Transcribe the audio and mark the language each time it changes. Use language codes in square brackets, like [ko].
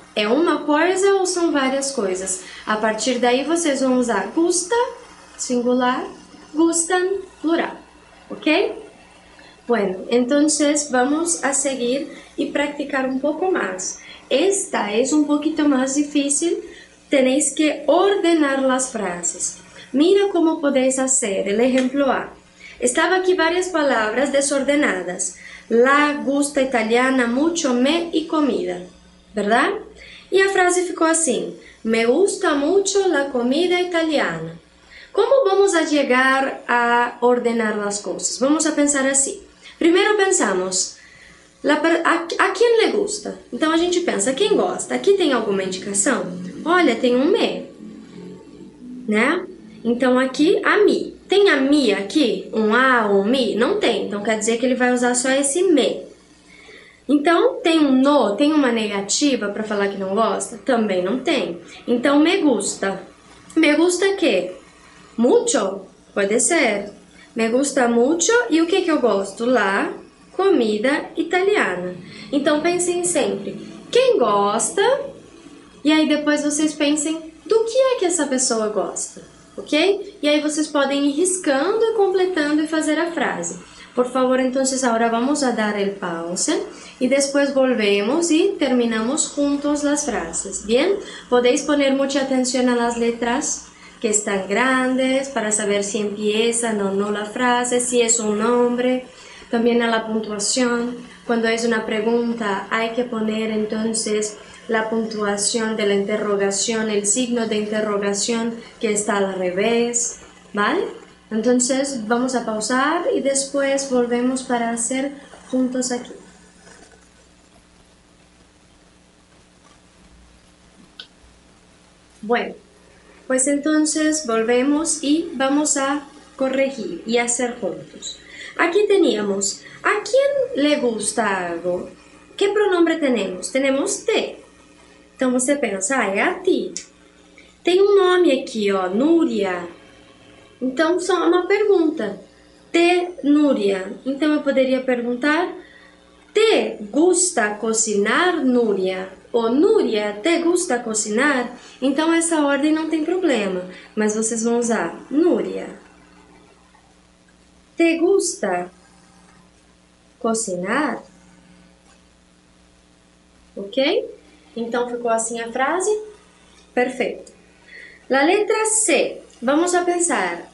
[es] ¿Es una cosa o son varias cosas? A partir de ahí, ustedes van a usar gusta, singular, gustan, plural, ¿ok? Bueno, entonces vamos a seguir y practicar un poco más. Esta es un poquito más difícil, tenéis que ordenar las frases. Mira cómo podéis hacer el ejemplo A. [pt] Estava aqui várias palavras desordenadas. [es] La, gusta, italiana, mucho, me e comida. Verdade? [pt] E a frase ficou assim. [es] Me gusta mucho la comida italiana. [pt] Como vamos a chegar a ordenar as coisas? Vamos a pensar assim. Primeiro pensamos. A quem le gusta? Então a gente pensa, quem gosta? Aqui tem alguma indicação? Olha, tem um me. Né? Então aqui, a mi. Tem a mi aqui? Um a ou um mi? Não tem. Então quer dizer que ele vai usar só esse me. Então tem um no? Tem uma negativa para falar que não gosta? Também não tem. Então me gusta. Me gusta que? Mucho? Pode ser. [es] Me gusta mucho. [pt] E o que que eu gosto? [es] La comida italiana. [pt] Então pensem sempre. Quem gosta? E aí depois vocês pensem do que é que essa pessoa gosta. Ok? E aí vocês podem ir riscando e completando e fazer a frase. Por favor, então, agora [es] vamos a dar el pause [pt] e depois volvemos e terminamos juntos as frases. [es] Bien? Podéis poner mucha atención a las letras que están grandes para saber si empiezan o no la frase, si es un nombre, también a la puntuación. Cuando es una pregunta, hay que poner entonces la puntuación de la interrogación, el signo de interrogación que está al revés, ¿vale? Entonces vamos a pausar y después volvemos para hacer juntos aquí. Bueno, pues entonces volvemos y vamos a corregir y hacer juntos. Aquí teníamos, ¿a quién le gusta algo? ¿Qué pronombre tenemos? Tenemos te. [pt] Então você pensa, ah, é a ti. Tem um nome aqui, ó, Núria. Então só uma pergunta. Te, Núria. Então eu poderia perguntar, [es] te gusta cocinar, [pt] Núria? [es] Ou Núria, te gusta cocinar? [pt] Então essa ordem não tem problema, mas vocês vão usar Núria. [es] Te gusta cocinar? [pt] Ok? Então ficou assim a frase? [es] Perfeito. La letra C. Vamos a pensar.